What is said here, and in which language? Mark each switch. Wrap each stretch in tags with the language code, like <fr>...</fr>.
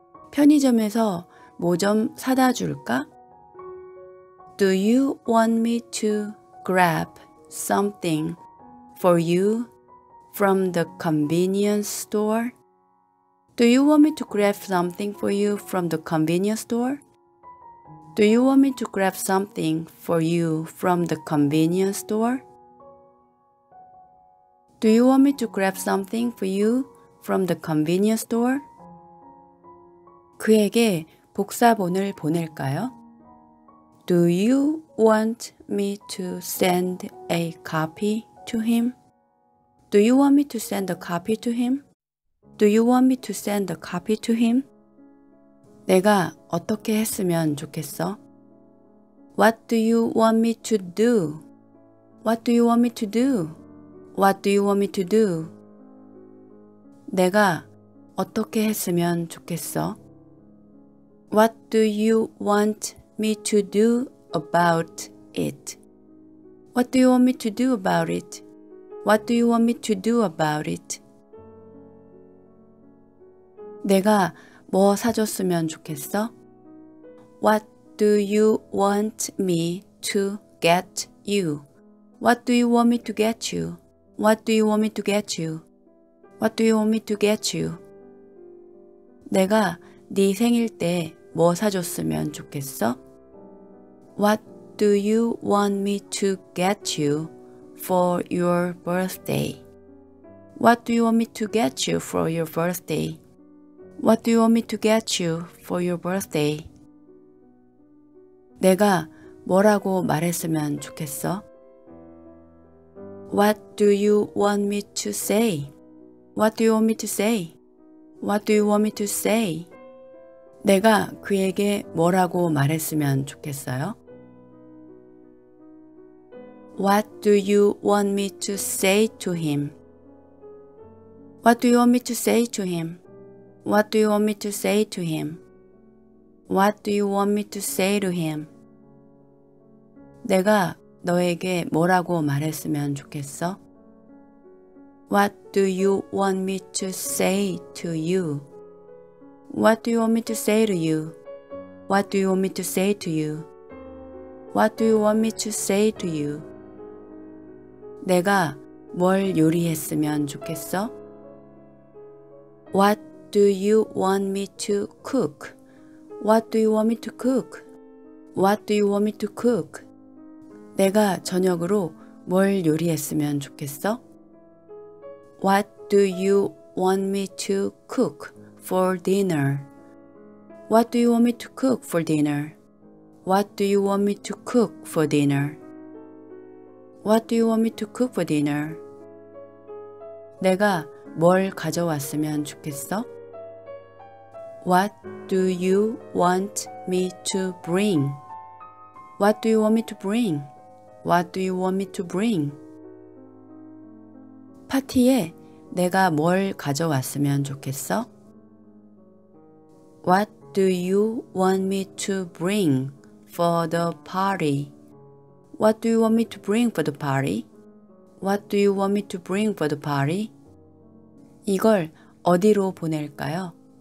<ko>편의점에서 뭐 좀 사다 줄까?</ko> <en>Do you want me to grab something for you from the convenience store? Do you want me to grab something for you from the convenience store? Do you want me to grab something for you from the convenience store? Do you want me to grab something for you from the convenience store?</en> <ko>그에게 복사본을 보낼까요?</ko> <en>Do you want me to send a copy to him? Do you want me to send a copy to him? Do you want me to send a copy to him?</en> <ko>내가 어떻게 했으면 좋겠어?</ko> <en>What do you want me to do? What do you want me to do? What do you want me to do?</en> <ko>내가 어떻게 했으면 좋겠어?</ko> <en>What do you want me to do about it? What do you want me to do about it? What do you want me to do about it?</en> <ko>내가 뭐 사줬으면 좋겠어?</ko> <en>What do you want me to get you? What do you want me to get you? What do you want me to get you? What do you want me to get you?</en> <ko>내가 네 생일 때 뭐 사줬으면 좋겠어?</ko> <en>What do you want me to get you for your birthday? What do you want me to get you for your birthday? What do you want me to get you for your birthday?</en> <ko>내가 뭐라고 말했으면 좋겠어?</ko> <en>What do you want me to say? What do you want me to say? What do you want me to say?</en> <ko>내가 그에게 뭐라고 말했으면 좋겠어요?</ko> <en>What do you want me to say to him? What do you want me to say to him? What do you want me to say to him? What do you want me to say to him?</en> <ko>내가 너에게 뭐라고 말했으면 좋겠어?</ko> <en>What do you want me to say to you? What do you want me to say to you? What do you want me to say to you? What do you want me to say to you?</en> <ko>내가 뭘 요리했으면 좋겠어?</ko> <en>What do you want me to cook? What do you want me to cook? What do you want me to cook?</en> <ko>내가 저녁으로 뭘 요리했으면 좋겠어?</ko> <en>What do you want me to cook for dinner? What do you want me to cook for dinner? What do you want me to cook for dinner? What do you want me to cook for dinner?</en> <ko>내가 뭘 가져왔으면 좋겠어?</ko> <en>What do you want me to bring? What do you want me to bring? What do you want me to bring?</en> <ko>파티에 내가 뭘 가져왔으면 좋겠어?</ko> <en>What do you want me to bring for the party? What do you want me to bring for the party? What do you want me to bring for the party?</en> <ko>이걸 어디로 보낼까요?</ko>